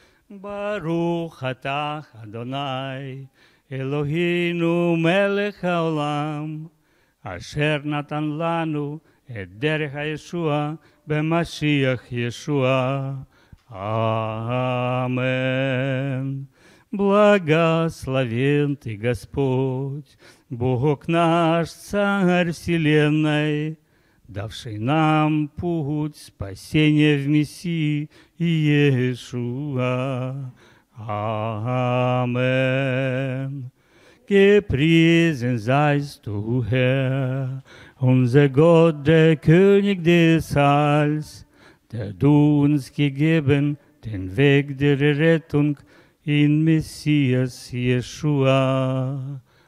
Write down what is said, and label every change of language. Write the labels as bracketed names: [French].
[Hebrew] ברוך אתה אדוני אלוהינו מלך העולם אשר נתן לנו את דרך הישוע במשיח ישוע. [Russian] Амен. Благословен Ты, Господь, Бог наш, Царь Вселенной, давший нам путь спасения в Мессии Иешуа. Амен. [German] Gepriesen seist du, Herr, unser Gott, der König des Heils, der du uns gegeben den Weg der Rettung in Messias Jeshua.